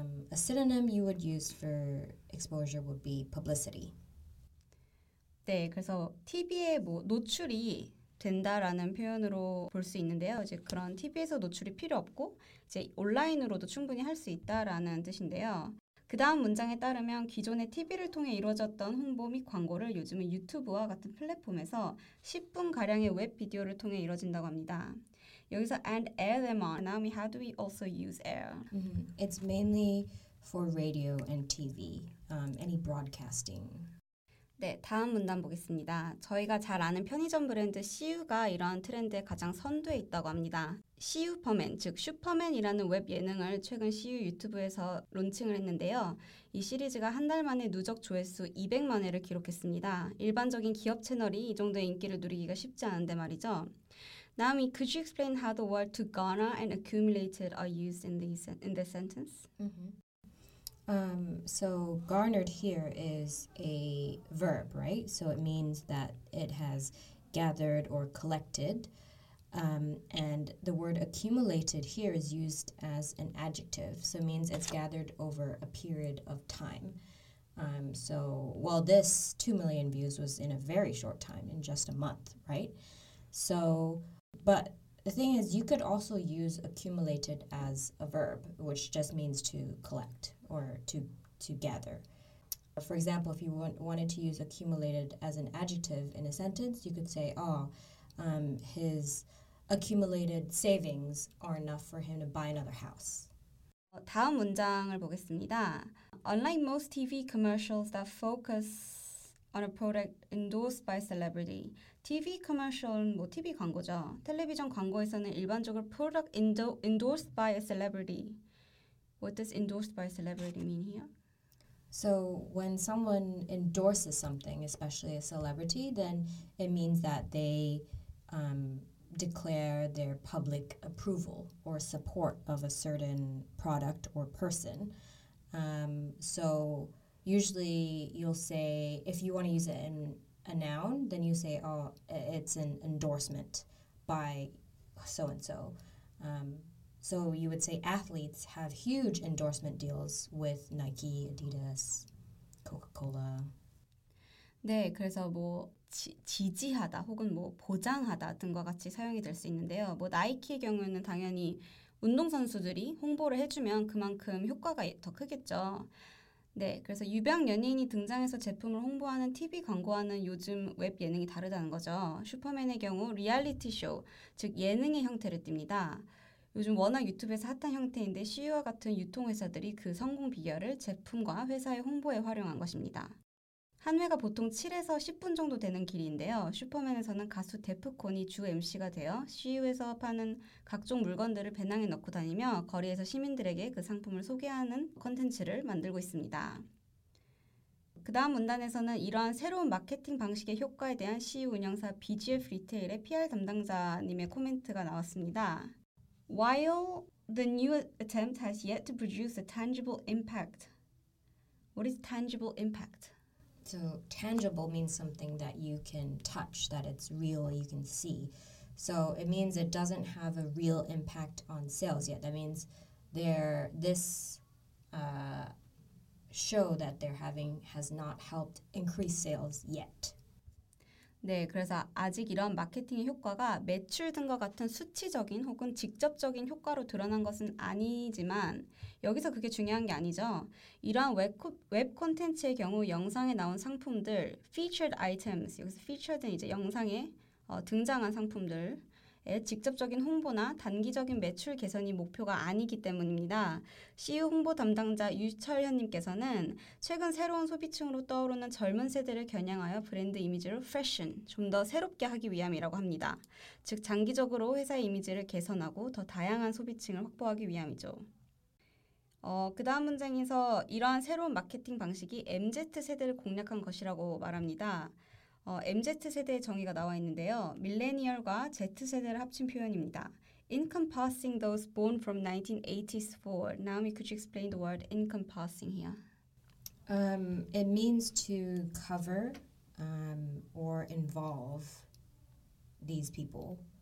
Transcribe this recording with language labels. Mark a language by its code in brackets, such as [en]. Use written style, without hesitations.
[en] A synonym you would use for exposure would be publicity. [ko] 네, 그래서 TV에 뭐 노출이 된다라는 표현으로 볼 수 있는데요. 이제 그런 TV에서 노출이 필요 없고 이제 온라인으로도 충분히 할 수 있다라는 뜻인데요. 그 다음 문장에 따르면 기존의 TV를 통해 이루어졌던 홍보 및 광고를 요즘은 유튜브와 같은 플랫폼에서 10분가량의 웹 비디오를 통해 이루어진다고 합니다. 여기서 [en] and air them on. Naomi, how do we also use air? It's mainly for radio and TV, any broadcasting. [ko] 네, 다음 문단 보겠습니다. 저희가 잘 아는 편의점 브랜드 CU가 이러한 트렌드에 가장 선두에 있다고 합니다. CU퍼맨, 즉 슈퍼맨이라는 웹 예능을 최근 CU 유튜브에서 론칭을 했는데요. 이 시리즈가 한 달 만에 누적 조회수 200만 회를 기록했습니다. 일반적인 기업 채널이 이 정도의 인기를 누리기가 쉽지 않은데 말이죠. [en] Naomi, could you explain how the word to garner and accumulated are used in this sentence? So garnered here is a verb, right? So it means that it has gathered or collected. And the word accumulated here is used as an adjective. So it means it's gathered over a period of time. So, well, this 2 million views was in a very short time, in just a month, right? So, but the thing is, you could also use accumulated as a verb, which just means to collect or to gather. For example, if you wanted to use accumulated as an adjective in a sentence, you could say, oh, his accumulated savings are enough for him to buy another house. [ko] 다음 문장을 보겠습니다. [en] Unlike most TV commercials that focus on a product endorsed by celebrity, [ko] TV commercial은 뭐 TV 광고죠. 텔레비전 광고에서는 일반적으로 [en] product endorsed by a celebrity. What does endorsed by a celebrity mean here? So when someone endorses something, especially a celebrity, then it means that they declare their public approval or support of a certain product or person. So usually you'll say, if you want to use it in a noun, then you say, oh, it's an endorsement by so-and-so. So you would say athletes have huge endorsement deals with Nike, Adidas, Coca-Cola. [ko] 네, 그래서 뭐 지지하다 혹은 뭐 보장하다 등과 같이 사용이 될 수 있는데요. 뭐 나이키의 경우는 당연히 운동선수들이 홍보를 해주면 그만큼 효과가 더 크겠죠. 네, 그래서 유명 연예인이 등장해서 제품을 홍보하는 TV 광고와는 요즘 웹 예능이 다르다는 거죠. 슈퍼맨의 경우 리얼리티 쇼, 즉 예능의 형태를 띱니다. 요즘 워낙 유튜브에서 핫한 형태인데 CU와 같은 유통회사들이 그 성공 비결을 제품과 회사의 홍보에 활용한 것입니다. 한 회가 보통 7에서 10분 정도 되는 길이인데요. 슈퍼맨에서는 가수 데프콘이 주 MC가 되어 CU에서 파는 각종 물건들을 배낭에 넣고 다니며 거리에서 시민들에게 그 상품을 소개하는 콘텐츠를 만들고 있습니다. 그 다음 문단에서는 이러한 새로운 마케팅 방식의 효과에 대한 CU 운영사 BGF 리테일의 PR 담당자님의 코멘트가 나왔습니다. [en] While the new attempt has yet to produce a tangible impact, what is tangible impact? So tangible means something that you can touch, that it's real, you can see. So it means it doesn't have a real impact on sales yet. That means this show that they're having has not helped increase sales yet. [ko] 네, 그래서 아직 이런 마케팅의 효과가 매출 등과 같은 수치적인 혹은 직접적인 효과로 드러난 것은 아니지만 여기서 그게 중요한 게 아니죠. 이러한 웹 콘텐츠의 경우 영상에 나온 상품들, [en] featured items, [ko] 여기서 featured는 이제 영상에 등장한 상품들의 직접적인 홍보나 단기적인 매출 개선이 목표가 아니기 때문입니다. CU 홍보 담당자 유철현님께서는 최근 새로운 소비층으로 떠오르는 젊은 세대를 겨냥하여 브랜드 이미지를 fashion, 좀 더 새롭게 하기 위함이라고 합니다. 즉, 장기적으로 회사의 이미지를 개선하고 더 다양한 소비층을 확보하기 위함이죠. 그 다음 문장에서 이러한 새로운 마케팅 방식이 MZ세대를 공략한 것이라고 말합니다. MZ세대의 정의가 나와 있는데요. 밀레니얼과 Z세대를 합친 표현입니다. [en] Encompassing those born from 1980s forward. Naomi, could you explain the word encompassing here? It means to cover or involve these people.